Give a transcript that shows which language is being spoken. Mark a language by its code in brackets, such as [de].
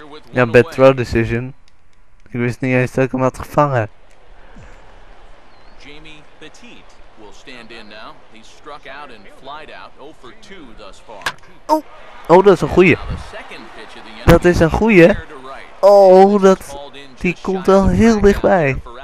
[nl] Ja, [en] bad throw decision. [nl] Ik wist niet eens dat ik hem had gevangen. [en] Jamie Petit will stand in now. He struck out and flied out 0 for 2 thus far. [nl] Oh, dat is een goeie. Dat is een goeie. Oh, die komt wel heel dichtbij.